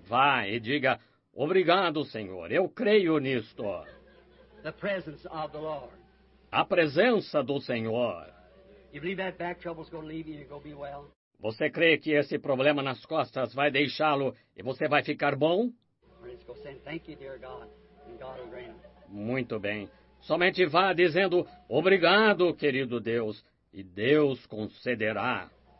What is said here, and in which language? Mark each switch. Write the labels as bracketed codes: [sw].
[pt] Vá e diga, obrigado, Senhor. Eu creio nisto. [en] The presence of the Lord. [pt] A presença do Senhor. [en] You believe that back trouble's gonna leave you and you're gonna be well? [pt] Você crê que esse problema nas costas vai deixá-lo e você vai ficar bom? [en] Thank you, dear God, and God will grant. [pt] Muito bem. Somente vá dizendo, obrigado, querido Deus, e Deus concederá.